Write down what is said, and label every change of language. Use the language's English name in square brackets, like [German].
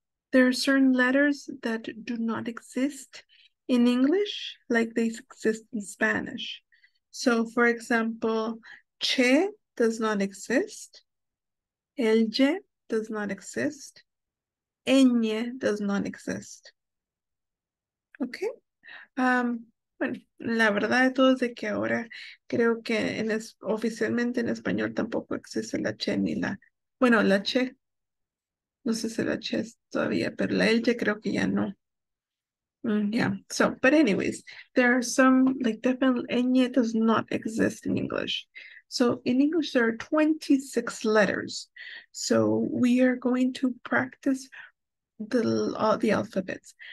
[English] There are certain letters that do not exist in English, like they exist in Spanish. So for example, che does not exist, elle does not exist, ñe does not exist. Okay? [Spanish] Bueno, la verdad de todo es de que ahora creo que oficialmente en español tampoco existe la che ni la, bueno, la che, no sé si la che es todavía, pero la elle creo que ya no. [English] Yeah, so, but anyways, there are some, like, definitely, ñ does not exist in English. So, in English, there are 26 letters. So, we are going to practice the alphabets.